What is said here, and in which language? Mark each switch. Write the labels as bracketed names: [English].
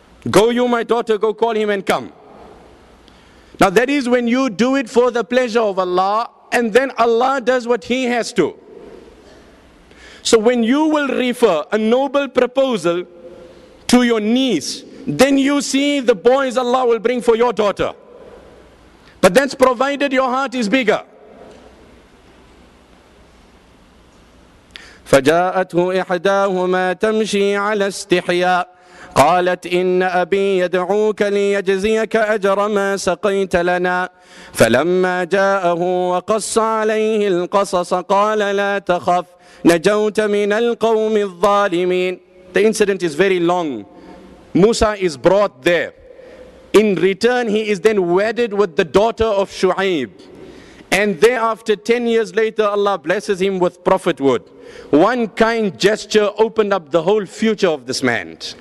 [English] "Go you, my daughter, go call him and come." Now that is when you do it for the pleasure of Allah, and then Allah does what he has to. So when you will refer a noble proposal to your niece, then you see the boys Allah will bring for your daughter. But that's provided your heart is bigger. [Arabic] فجاءته إحداهما تمشي على استحياء قالت إن أبي يدعوك ليجزيك أجر ما سقيت لنا فلما جاءه وقص عليه القصص قال لا تخف نجوت من القوم الظالمين. [English] The incident is very long. Musa is brought there. In return, he is then wedded with the daughter of Shu'aib. And thereafter, 10 years later, Allah blesses him with prophethood. One kind gesture opened up the whole future of this man.